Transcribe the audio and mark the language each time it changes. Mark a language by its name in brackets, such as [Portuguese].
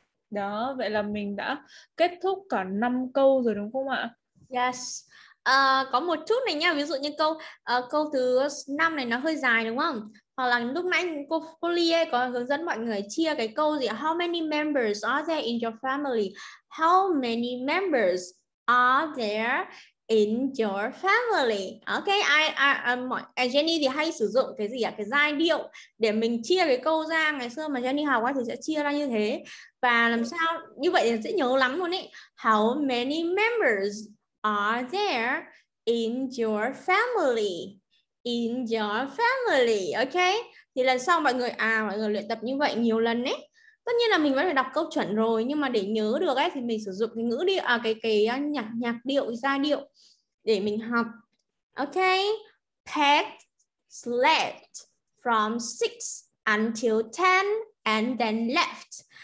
[Vietnamese] Đó, vậy là mình đã kết thúc cả 5 câu rồi đúng không ạ? [English] Yes. [Vietnamese] Có một chút này nha, ví dụ như câu câu thứ 5 này nó hơi dài đúng không? Hoặc là lúc nãy cô Polie có hướng dẫn mọi người chia cái câu gì? [English] How many members are there in your family? How many members are there in your family? [Vietnamese] Ok, Jenny thì hay sử dụng cái gì ạ? Cái giai điệu để mình chia cái câu ra. Ngày xưa mà Jenny học thì sẽ chia ra như thế. Và làm sao? Như vậy thì sẽ nhớ lắm luôn ý. [English] How many members are there in your family? In your family, ok? [Vietnamese] Thì lần sau mọi người luyện tập như vậy nhiều lần ấy. Tất nhiên là mình vẫn phải đọc câu chuẩn rồi, nhưng mà để nhớ được ấy thì mình sử dụng cái ngữ điệu, nhạc điệu, giai điệu để mình học. Ok? [English] Peg slept from 6 until 10 and then left.